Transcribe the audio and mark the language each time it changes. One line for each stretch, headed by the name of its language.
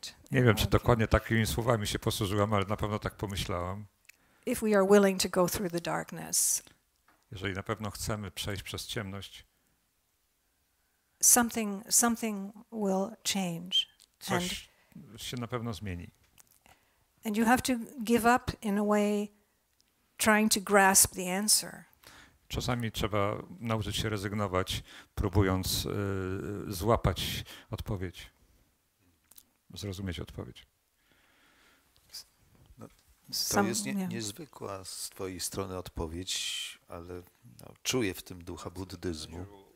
Polish: Nie wiem, czy dokładnie takimi słowami się posłużyłam, ale na pewno tak pomyślałam.
English: If we are willing to go through the darkness.
Polish: Jeżeli na pewno chcemy przejść przez ciemność.
English: Something will change.
Polish: Coś się na pewno zmieni.
English: And you have to give up in a way trying to grasp the answer.
Polish: Czasami trzeba nauczyć się rezygnować, próbując złapać odpowiedź, zrozumieć odpowiedź. No, to jest niezwykła z twojej strony odpowiedź, ale no, czuję w tym ducha buddyzmu.